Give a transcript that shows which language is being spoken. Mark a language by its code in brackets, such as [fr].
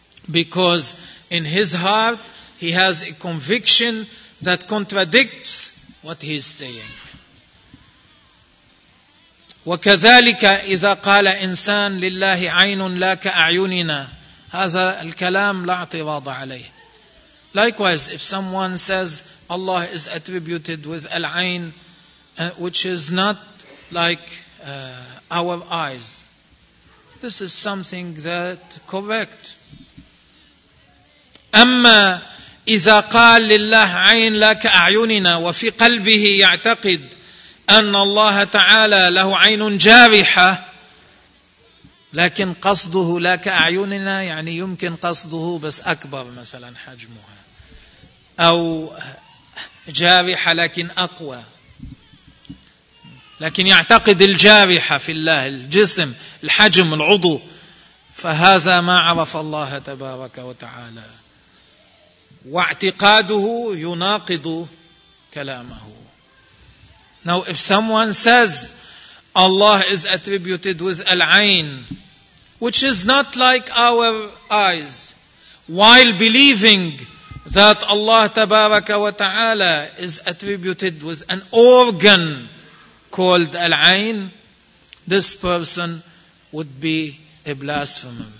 [en] Because in his heart he has a conviction that contradicts what he is saying. [ar] وكذلك إذا قال إنسان لله عين لا كأعيننا, هذا الكلام لا اعتراض عليه. [en] Likewise, if someone says Allah is attributed with العين, which is not like our eyes, this is something that correct. [ar] أما إذا قال لله عين لا كأعيننا وفي قلبه يعتقد أن الله تعالى له عين جارحة لكن قصده لا كأعيننا, يعني يمكن قصده بس أكبر مثلا حجمها, أو جارحة لكن أقوى, لكن يعتقد الجارحة في الله الجسم الحجم العضو, فهذا ما عرف الله تبارك وتعالى واعتقاده يناقض كلامه. [en] Now if someone says Allah is attributed with al-ayn, which is not like our eyes, while believing that Allah [ar] تبارك وتعالى [en] is attributed with an organ called al-ayn, this person would be a blasphemer.